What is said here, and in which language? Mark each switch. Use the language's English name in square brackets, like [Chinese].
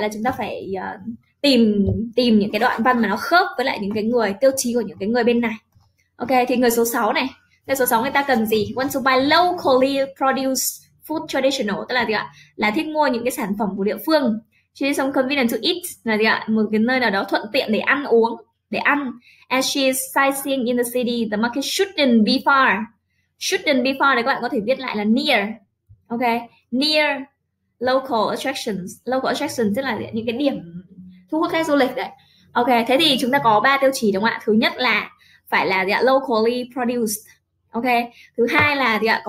[Vietnamese] Là chúng ta phải tìm những cái đoạn văn mà nó khớp với lại những cái người, tiêu chí của những cái người bên này. Ok, thì người số 6 này, người số 6 người ta cần gì? [English] Want to buy locally produced food traditional, [Vietnamese] tức là gì ạ? Là thích mua những cái sản phẩm của địa phương. [English] She is convenient to eat, [Vietnamese] là gì ạ? Một cái nơi nào đó thuận tiện để ăn uống, để ăn. [English] As she is sightseeing in the city, the market shouldn't be far. Shouldn't be far [Vietnamese] thì các bạn có thể viết lại là near. Ok, [English] near local attractions. Local attractions [Vietnamese] tức là những cái điểm thu hút khách du lịch đấy. Ok, thế thì chúng ta có 3 tiêu chí, đúng không ạ? Thứ nhất là phải là gì ạ? [English] Locally produced. [Vietnamese] Ok, thứ hai là gì ạ?